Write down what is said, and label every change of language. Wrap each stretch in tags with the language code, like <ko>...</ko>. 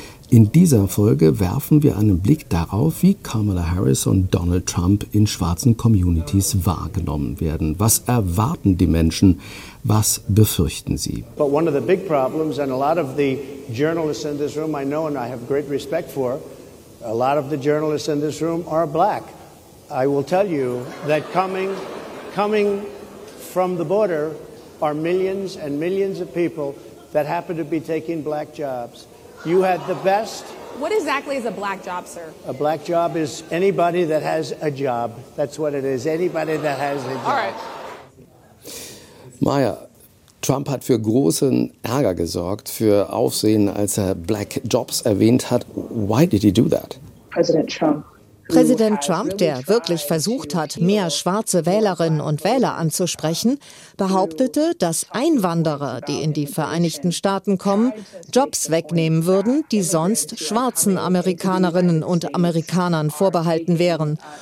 <de>In dieser Folge werfen wir einen Blick darauf, wie Kamala Harris und Donald Trump in schwarzen Communities wahrgenommen werden. Was erwarten die Menschen? Was befürchten sie?</de> <en>But one of the big problems, and a lot of the journalists in this room I know and I have great respect for, a lot of the journalists in this room are black. I will tell you that coming from the border are millions and millions of people that happen to be taking black jobs. You had the best. What exactly is a black job, sir? A black job is anybody that has a job. That's what it is. Anybody that has a job. All right.</en> <de>Maya, Trump hat für großen Ärger gesorgt, für Aufsehen, als er Black Jobs erwähnt hat.</de> <en>Why did he do that?</en> <de>Präsident Trump, der wirklich versucht hat, mehr schwarze Wählerinnen und Wähler anzusprechen, behauptete, dass Einwanderer, die in die Vereinigten Staaten kommen, Jobs wegnehmen würden, die sonst schwarzen Amerikanerinnen und Amerikanern vorbehalten wären.</de>